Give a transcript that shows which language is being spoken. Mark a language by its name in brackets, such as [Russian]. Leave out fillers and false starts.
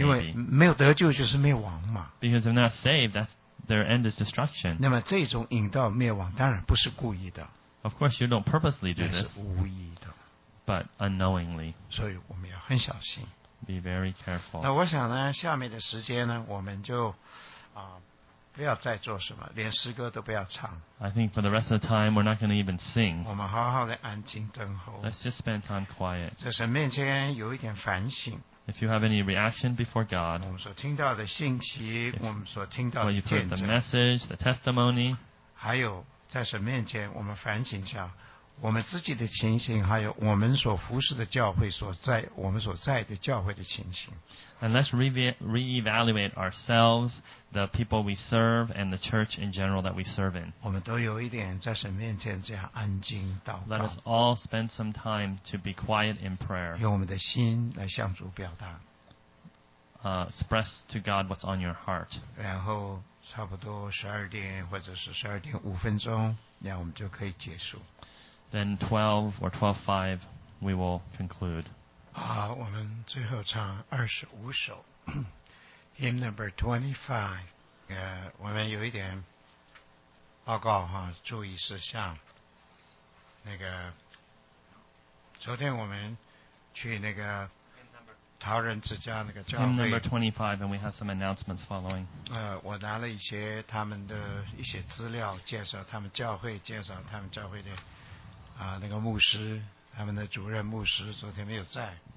[Chinese] 因为没有得救就是灭亡嘛。 [English] Because they're not saved, that's their end is destruction. [Chinese] 那么这种引到灭亡当然不是故意的。 [English] Of course, you don't purposely do this. [Chinese] 是无意的。 [English] But unknowingly. [Chinese] 所以我们要很小心。 [English] Be very careful. [Chinese] 那我想呢，下面的时间呢，我们就不要再做什么，连诗歌都不要唱。 [English] I think for the rest of the time, we're not going to even sing. [Chinese] 我们好好的安静等候。 [English] Let's just spend time quiet. [Chinese] 在神面前有一点反省。 [English] If you have any reaction before God, [Chinese] 我们所听到的信息，我们所听到的见证。 [English] Well, you've heard the message, the testimony. [Chinese] 还有在神面前，我们反省一下。我们自己的情形，还有我们所服侍的教会我们所在的教会的情形。 [English] And let's reevaluate ourselves, the people we serve, and the church in general that we serve in. [Chinese] 我们都有一点在神面前这样安静祷告。 [English] Let us all spend some time to be quiet in prayer. [Chinese] 用我们的心来向主表达。 [English] Express to God what's on your heart. [Chinese] 然后差不多12点或者是12点5分钟，那我们就可以结束。 [English] Then 12 or 12:5, we will conclude. [Chinese] 好，我们最后唱25首 ， [English] Hymn Number 25。 [Chinese] 我们有一点报告哈，注意事项。那个昨天我们去那个陶仁之家那个教会 [English] Hymn number 25 and we have some announcements following [Chinese] 我拿了一些他们的一些资料介绍他们教会介绍他们教会的那个牧师他们的主任牧师昨天没有在